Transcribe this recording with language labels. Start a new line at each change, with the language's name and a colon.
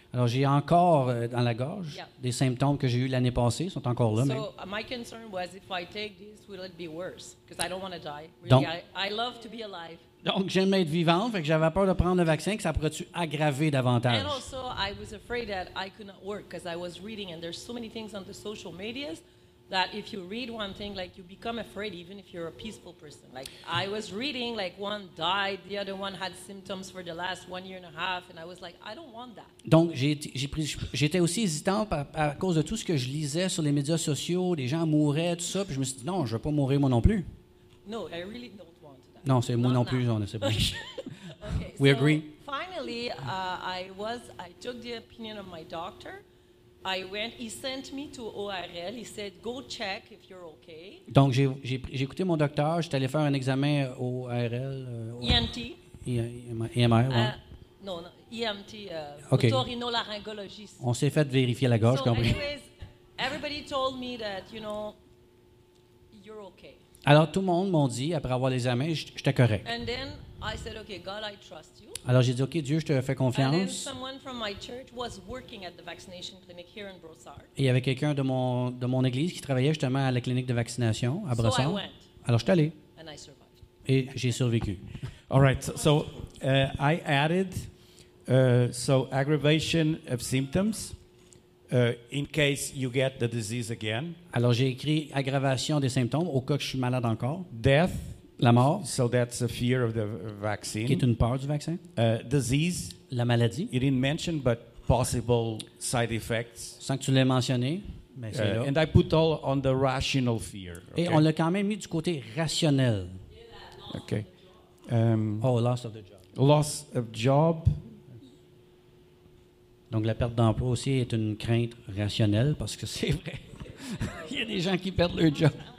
French: Alors j'ai encore dans la gorge des symptômes que j'ai eu l'année passée sont encore là.
English: So
French: même.
English: My concern was if I take this, will it be worse? Because I don't want to die. Really, donc, I love to be alive.
French: Donc j'aime être vivant, fait que j'avais peur de prendre le vaccin que ça pourrait-tu aggraver davantage.
English: And also, I was afraid that I could not work because I was reading and there's so many things on the social media. That if you read one thing, like you become afraid, even if you're a peaceful person. Like I was reading, like one died, the other one had symptoms for the last 1.5 years, and I was like, I don't want that.
French: Donc j'étais aussi hésitant à cause de tout ce que je lisais sur les médias sociaux, les gens mouraient, tout ça. Puis je me suis dit, non, je veux pas mourir moi non plus.
English: No, I really don't want that.
French: Non, c'est moi non plus, on essaie pas.
English: We so agree. Finally, I took the opinion of my doctor. I went, he sent me to ORL, he said, go check if you're okay.
French: Donc, j'ai écouté mon docteur, j'étais allé faire un examen au ORL.
English: ENT.
French: EMR, oui. Non, EMT, okay. Otorhinolaryngologiste. On s'est fait vérifier la gorge,
English: so
French: compris.
English: So anyways, everybody told me that, you know, you're okay.
French: Alors, tout le monde m'a dit, après avoir les examens, j'étais correct.
English: And then, I said, okay, God, I trust you.
French: Alors, j'ai dit, OK, Dieu, je te fais confiance.
English: And then someone from my church was working at the vaccination clinic here in Brossard.
French: Et il y avait quelqu'un de mon église qui travaillait justement à la clinique de vaccination à Brossard.
English: So I went.
French: Alors, je suis allé.
English: And I survived.
French: Et j'ai survécu.
English: All right, so I added, so aggravation of symptoms in case you get the disease again.
French: Alors, j'ai écrit aggravation des symptômes au cas que je suis malade encore.
English: Death.
French: La mort.
English: So that's a fear of the vaccine.
French: Qui est une peur du vaccin.
English: Disease.
French: La maladie.
English: You didn't mention, but possible side effects.
French: Sans que tu l'aies mentionné, mais c'est là.
English: And I put all on the rational fear. Okay?
French: Et on l'a quand même mis du côté rationnel.
English: Okay. Loss of the job. Loss of job.
French: Donc la perte d'emploi aussi est une crainte rationnelle parce que c'est vrai. Il y a des gens qui perdent leur job.